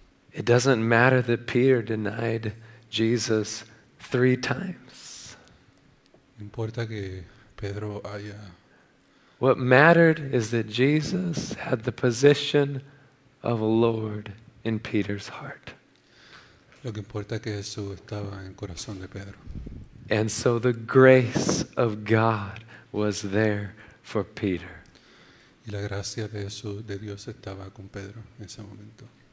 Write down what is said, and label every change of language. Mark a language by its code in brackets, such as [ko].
[en] It doesn't matter that Peter denied Jesus 3 times. [es] Importa que Pedro haya. [en] What mattered is that Jesus had the position of Lord in Peter's heart. [es] Lo que importa es que Jesús estaba en el corazón de Pedro. [en] And so the grace of God was there for Peter. [es] Y la gracia de Jesús, de Dios, estaba con Pedro en ese momento.